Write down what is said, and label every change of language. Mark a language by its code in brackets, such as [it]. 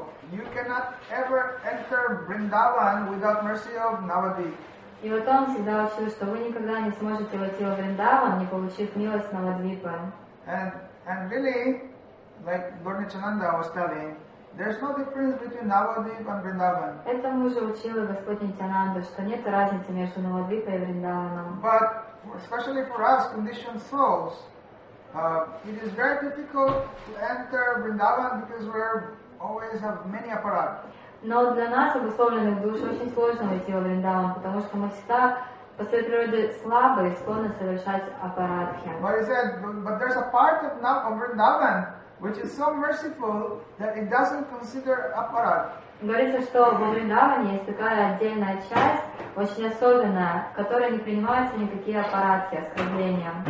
[en] You cannot ever enter Vrindavan without mercy of Navadvip. [ru] И вот он всегда учил, что вы никогда не сможете войти во Вриндаван, не получив милость Навадвипа. [en] And really, like Горни Чананда was telling, there's no difference between Navadvip and Vrindavan. [ru] Этому же учил и Господь Нитянанда, что нет разницы между Навадвипой и Вриндаваном. [en] But especially for us conditioned souls, it is very difficult to enter Vrindavan because we always have many aparat. [ru] Но для нас, обусловленных душ, очень сложно уйти во Вриндаван, потому что мы всегда по своей природе слабы и склонны совершать апарадхи. [en] But there's a part of Vrindavan which is so merciful that it doesn't consider apparat. [ru] Говорится, что во Вриндаване есть такая отдельная часть, очень особенная, в которой не принимаются никакие аппаратки, оскорбления.